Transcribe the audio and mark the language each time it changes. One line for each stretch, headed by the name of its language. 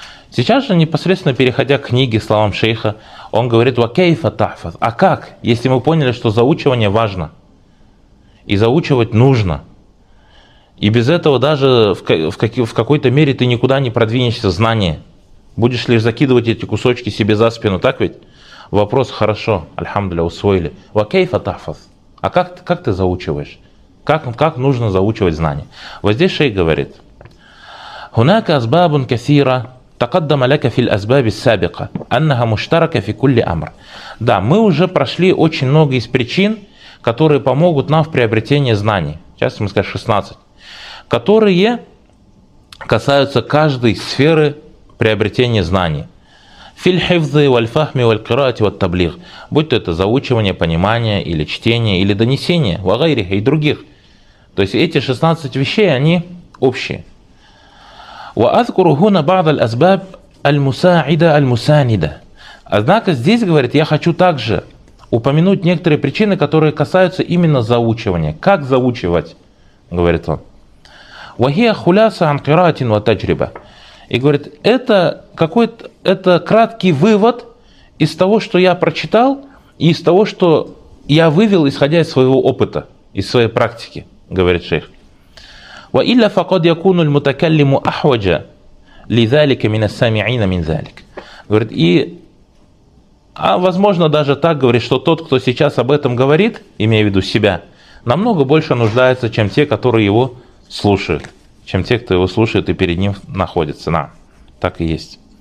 Russian: Сейчас же, непосредственно переходя к книге, словам шейха, он говорит,
Arabic: «Вакейфа тахфаз»,
Russian: а как, если мы поняли, что заучивание важно, и заучивать нужно, и без этого даже в какой-то мере ты никуда не продвинешься в знании, будешь лишь закидывать эти кусочки себе за спину, так ведь? Вопрос, хорошо, альхамдуля, усвоили.
Arabic: «Вакейфа тахфаз»,
Russian: а как ты заучиваешь? Как нужно заучивать знания? Вот здесь шейх говорит,
Arabic: «Хунака азбабун касира». تقدم لك في الأسباب السابقة أنها مشتركة في كل أمر.
Russian: Да, мы уже прошли очень много из причин, которые помогут нам в приобретении знаний. Сейчас мы скажем 16. Которые касаются каждой сферы приобретения знаний.
Arabic: في الحفظ والفهم والقراءة والتبليغ.
Russian: Будь то это заучивание, понимание, или чтение, или донесение,
Arabic: وغيره,
Russian: и других. То есть эти 16 вещей, они общие.
Arabic: وأذكر هنا بعض الأسباب المساعدة المساندة.
Russian: Однако здесь говорит, я хочу также упомянуть некоторые причины, которые касаются именно заучивания. Как заучивать, говорит он.
Arabic: وهي خلاصة عن قراءة وتجربة.
Russian: И говорит, это краткий вывод из того, что я прочитал, и из того, что я вывел, исходя из своего опыта, из своей практики, говорит шейх.
Arabic: وإلا فقد يكون المتكلم أحوج لذلك من السامعين من ذلك.
Russian: Говорит, возможно, даже так говорит, что тот, кто сейчас об этом говорит, имея в виду себя, намного больше нуждается, чем те, которые его слушают, чем те, кто его слушает и перед ним находится. На, так и есть.